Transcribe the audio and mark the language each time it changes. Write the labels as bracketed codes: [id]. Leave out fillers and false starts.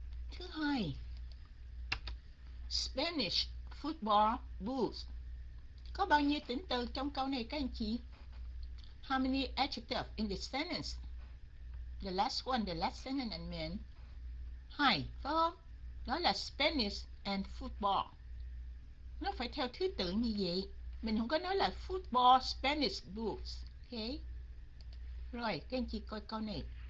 [en] Thứ hai, Spanish football boots. [vi] Có bao nhiêu tính từ trong câu này các anh chị? [en] How many adjectives in the sentence? The last one, the last sentence I mean. [vi] Hai, phải không? Đó là Spanish and football. Nó phải theo thứ tự như vậy. Mình không có nói là football, Spanish, boots. Okay. Rồi, các anh chị coi câu này.